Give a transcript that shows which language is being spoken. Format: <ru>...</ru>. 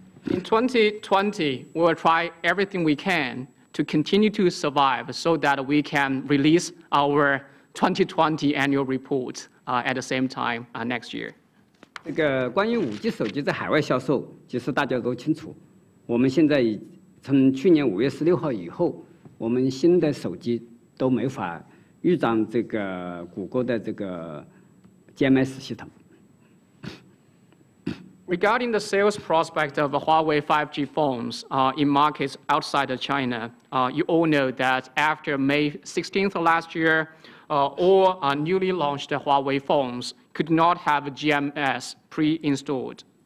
<en>In 2020, we'll try everything we can to continue to survive so that we can release our 2020 annual report at the same time next year.</en> <zh>这个关于5G手机在海外销售，其实大家都清楚。我们现在从去年5月16号以后，我们新的手机都没法预装这个谷歌的这个GMS系统。</zh> <en>Regarding the sales prospect of Huawei 5G phones in markets outside of China, you all know that after May 16th last year, all newly launched Huawei phones could not have GMS pre-installed.</en>